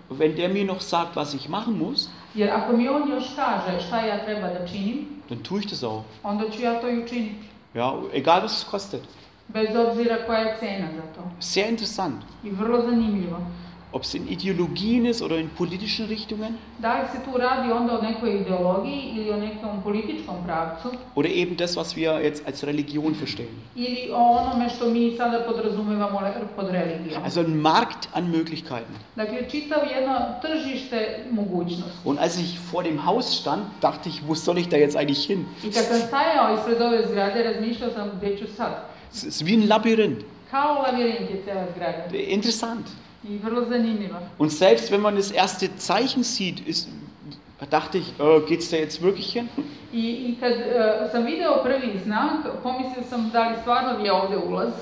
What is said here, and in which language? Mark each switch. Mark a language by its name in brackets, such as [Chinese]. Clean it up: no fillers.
[German] Wenn der mir noch sagt, was ich machen muss, [Serbian] jer ako mi on još kaže šta ja treba da činim, [German] dann tue ich das auch. [Serbian] Onda ću ja to i učiniti. [German] Ja, egal was es kostet. [Serbian] Bez obzira koja je cena za to. [German] Sehr interessant. [Serbian] I vrlo zanimljivo. [German] Ob es in Ideologien ist oder in politischen Richtungen. [Serbian] Da li se tu radi onda o nekoj ideologiji ili o nekom političkom pravcu. [German] Oder eben das, was wir jetzt als Religion verstehen. [Serbian] Ili o onome što mi sada podrazumevamo pod religijom. [German] Also ein Markt an Möglichkeiten. [Serbian] Dakle, čitav jedno tržište mogućnosti. [German] Und als ich vor dem Haus stand, dachte ich, wo soll ich da jetzt eigentlich hin? [Serbian] I kad sam stajao ispred ove zgrade, razmišljao sam gdje ću sad. [German] Es ist wie ein Labyrinth. [Serbian] Kao labirint je cela zgrada. [German] Interessant. [Serbian] I vrlo zanimljivo. [German] Und selbst wenn man das erste Zeichen sieht, dachte ich, geht's da jetzt wirklich hin? [Serbian] I kad sam video prvi znak, pomislio sam da li stvarno je ovdje ulaz.